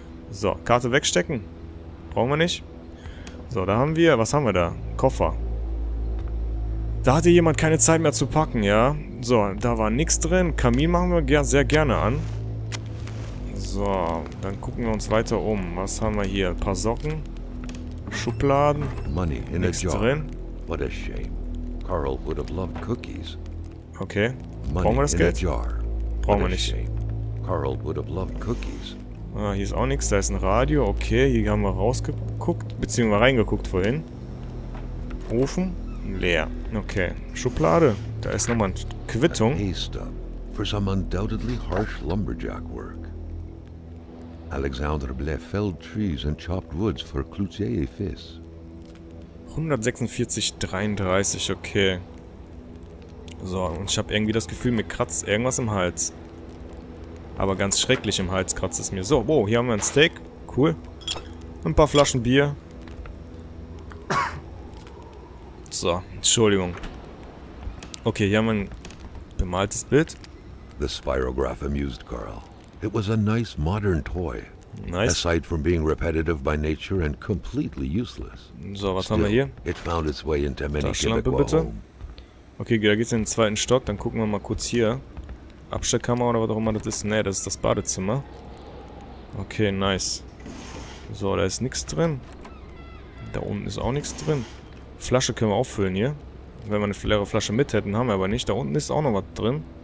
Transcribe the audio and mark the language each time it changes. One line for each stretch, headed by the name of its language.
German: So, Karte wegstecken. Brauchen wir nicht. So, da haben wir... Was haben wir da? Koffer. Da hatte jemand keine Zeit mehr zu packen, ja? So, da war nichts drin. Kamin machen wir sehr gerne an. So, dann gucken wir uns weiter um. Was haben wir hier? Ein paar Socken. Schubladen.
English: Money in a jar. What a shame. Carl would have loved cookies.
German: Okay. Brauchen wir das Geld? Brauchen wir nicht.
English: Carl would have loved cookies.
German: Ah, hier ist auch nichts, da ist ein Radio. Okay, hier haben wir rausgeguckt, beziehungsweise reingeguckt vorhin. Ofen? Leer. Okay, Schublade. Da ist nochmal eine Quittung.
English: For some undoubtedly harsh lumberjack work. Alexander Blair felled trees and chopped woods for Cloutier et Fils.
German: 146,33, okay. So, und ich habe irgendwie das Gefühl, mir kratzt irgendwas im Hals. Aber ganz schrecklich im Hals kratzt es mir. So, wow, hier haben wir ein Steak. Cool. Ein paar Flaschen Bier. So, Entschuldigung. Okay, hier haben wir ein bemaltes Bild.
English: The Spirograph amused Carl. It was a nice modern toy. Nice. Aside from being repetitive by nature and completely useless.
German: So, was haben wir hier?
English: It found its way into many
German: Taschenlampe bitte. Okay, da geht's in den zweiten Stock. Dann gucken wir mal kurz hier. Abstellkammer oder was auch immer das ist. Ne, das ist das Badezimmer. Okay, nice. So, da ist nichts drin. Da unten ist auch nichts drin. Flasche können wir auffüllen hier. Wenn wir eine leere Flasche mit hätten, haben wir aber nicht. Da unten ist auch noch was drin.